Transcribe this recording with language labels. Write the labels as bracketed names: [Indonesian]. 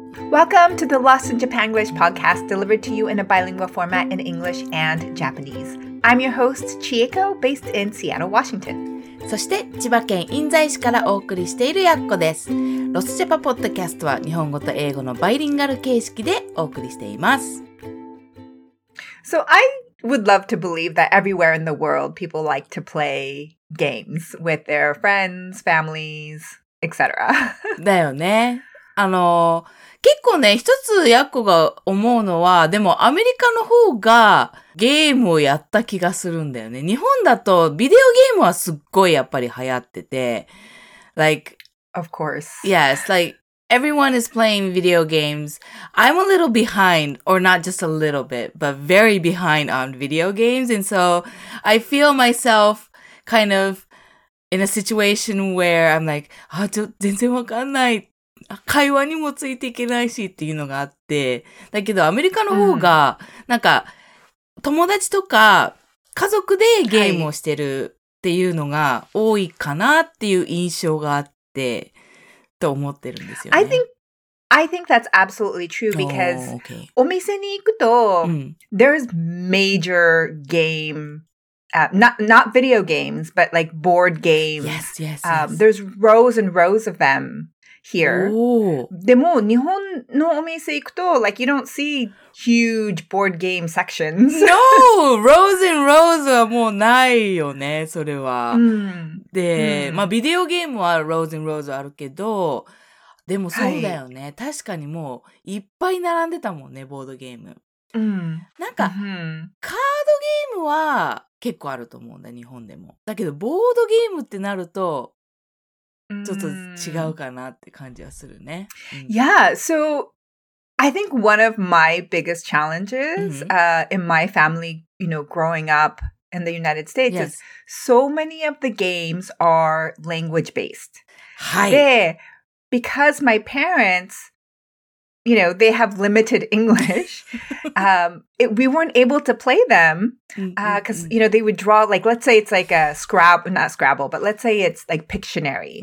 [English] Welcome to the Lost in Japan English podcast delivered to you in a bilingual format in English and Japanese. I'm your host, Chieko, based in Seattle, Washington. [Japanese] そして千葉県印西市からお送りしているやっこです。ロスジャパポッドキャストは日本語と英語のバイリンガル形式でお送りしています。 [English] So I would love to believe that everywhere in the world people like to play games with their friends, families, etc. [Japanese] だよね。結構ね、一つやっこが思うのは、でもアメリカの方がゲームをやった気がするんだよね。日本だとビデオゲームはすっごいやっぱり流行ってて。 [English] Like, of course. Yes, like, everyone is playing video games. I'm a little behind, or not just a little bit, but very behind on video games. And so I feel myself kind of in a situation where I'm like, ah, [Japanese] ちょっと全然わかんない。会話にもついていけないしっていうのがあって、だけどアメリカの方がなんか友達とか家族でゲームをしてるっていうのが多いかなっていう印象があってと思ってるんですよね。 [English] I think that's absolutely true because [Japanese] お店に行くと、 [English] there's major game、not video games but like board games. Yes, yes, yes. There's rows and rows of them. Here. [Japanese] でも日本のお店行くと [English] like you don't see huge board game sections. No! Rows and rows [Japanese] はもうないよね、それは。で、まあビデオゲームは [English] Rows and Rows [Japanese] あるけど、でもそうだよね。はい、確かにもういっぱい並んでたもんね、ボードゲーム。なんか、カードゲームは結構あると思うんだ、日本でも。だけどボードゲームってなると、ちょっと違うかなって感じはするね。 [English] Yeah, so I think one of my biggest challenges、in my family, you know, growing up in the United States、yes. is so many of the games are language based. [Japanese] はい。 [English] で、because my parents, you know, they have limited English, 、we weren't able to play them because, you know, they would draw, like, let's say it's like a Scrabble, not Scrabble, but let's say it's like Pictionary.